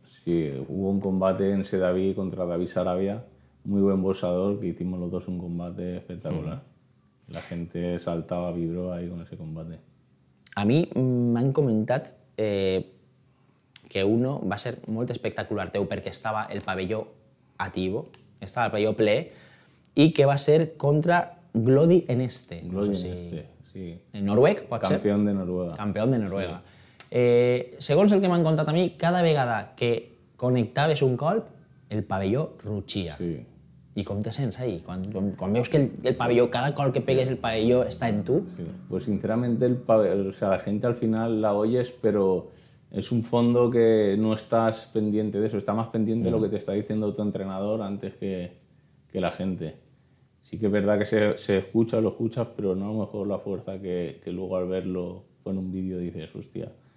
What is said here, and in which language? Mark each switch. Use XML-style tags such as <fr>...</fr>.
<es>Sí, hubo un combate en Sedaví contra David Sarabia, muy buen boxador, que hicimos los dos un combate espectacular. La gente saltaba, vibró ahí con ese combate.</es> <ca>A mi m'han comentat que uno va ser molt espectacular teu perquè estava el pavelló atiu, estava el pavelló ple, i que va ser contra Glody Eneste.</ca> <es>Glody Eneste, sí.</es> <ca>En Noruec, pot ser?</ca> <es>Campeón de Noruega. Campeón de Noruega.</es> <ca>Segons el que m'han contat a mi, cada vegada que connectaves un colp, el pavelló ruixia.</ca> <es>Sí.</es> <ca>I com te sents ahí? Quan veus que el pavelló, cada col que pegues el pavelló està en tu?</ca> <es>Sí, pues sinceramente la gente al final la oyes, es un fondo que no estás pendiente de eso, está más pendiente de lo que te está diciendo tu entrenador antes que la gente. Sí que es verdad que se escucha, lo escuchas, pero no a lo mejor la fuerza que luego al verlo en un vídeo dices, hostia.</es>